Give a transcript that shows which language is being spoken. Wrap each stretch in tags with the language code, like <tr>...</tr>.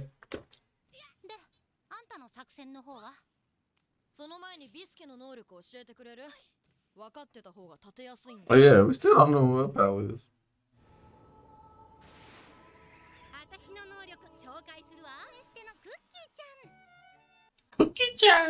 <ja>で、あんたの作戦の方は？その前にビスケの能力を教えてくれる？分かってた方が立てやすいんだ。</ja> <en>Oh yeah, we still don't know what power is.</en> <ja>私の能力紹介するわ。エステのクッキーちゃん。</ja>